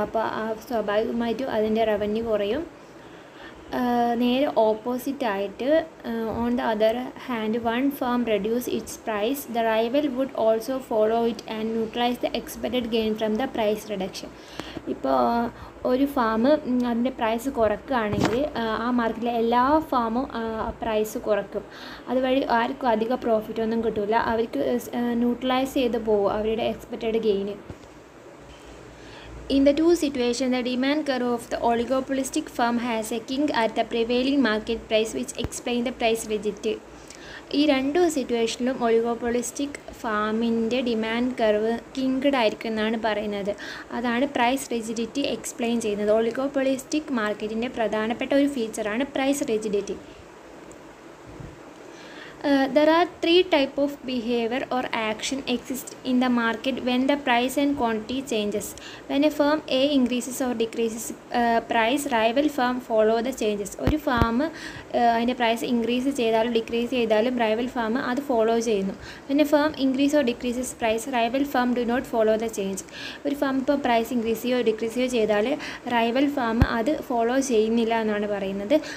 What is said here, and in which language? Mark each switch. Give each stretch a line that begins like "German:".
Malayalam: അപ്പോൾ ആ സ്വാഭാവികമായിട്ടും അതിൻ്റെ റവന്യൂ കുറയും. നേരെ ഓപ്പോസിറ്റായിട്ട്
English: On the other hand one firm reduce its price, the rival would also follow it and neutralize the expected gain from the price reduction.
Malayalam: ഇപ്പോൾ ഒരു farm അതിൻ്റെ പ്രൈസ് കുറക്കുകയാണെങ്കിൽ ആ മാർക്കറ്റിലെ എല്ലാ ഫാമും പ്രൈസ് കുറക്കും. അതുവഴി ആർക്കും അധിക പ്രോഫിറ്റ് ഒന്നും കിട്ടില്ല, അവർക്ക് ന്യൂട്രലൈസ് ചെയ്ത് പോകും അവരുടെ expected gain.
English: In the two situations, the demand curve of the oligopolistic firm has a kink at the prevailing market price which explains the price rigidity.
Malayalam: ഈ രണ്ട് സിറ്റുവേഷനിലും ഒളിഗോപൊളിസ്റ്റിക് ഫാമിൻ്റെ ഡിമാൻഡ് കർവ് കിങ്ക്ഡ് ആയിരിക്കും എന്നാണ് പറയുന്നത്. അതാണ് പ്രൈസ് റിജിഡിറ്റി എക്സ്പ്ലെയിൻ ചെയ്യുന്നത്. ഒളിഗോപൊളിസ്റ്റിക് മാർക്കറ്റിൻ്റെ പ്രധാനപ്പെട്ട ഒരു ഫീച്ചറാണ് price rigidity.
English: There are three type of behavior or action exist in the market when the price and quantity changes. When a firm A increases or decreases price, rival firm follow the changes.
Malayalam: ഒരു farm അതിൻ്റെ price increase ചെയ്താലും decrease ചെയ്താലും rival farm അത് follow ചെയ്യുന്നു.
English: പിന്നെ firm increase or decreases price, rival firm do not follow the change.
Malayalam: ഒരു farm ഇപ്പോൾ price increase ചെയ്യോ ഡിക്രീസ് ചെയ്യോ ചെയ്താൽ റൈവൽ ഫാം അത് ഫോളോ ചെയ്യുന്നില്ല എന്നാണ് പറയുന്നത്.